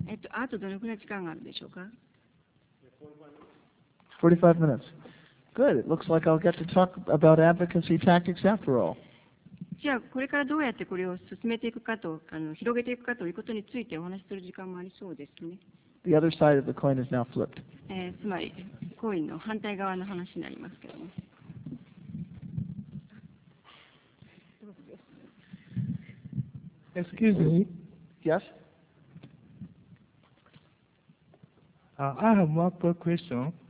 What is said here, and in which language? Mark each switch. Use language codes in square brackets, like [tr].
[ja] あとどのくらい時間があるでしょうか [en] ？45 minutes. Good. It looks like I'll get to talk about advocacy tactics after all. [ja] じゃあこれからどうやってこれを進めていくかと、広げていくかということについてお話しする時間もありそうですね。 [en] The other side of the coin is now flipped. [ja] つまり、コインの反対側の話になりますけども。 [en] Excuse me. Yes? I have more questions.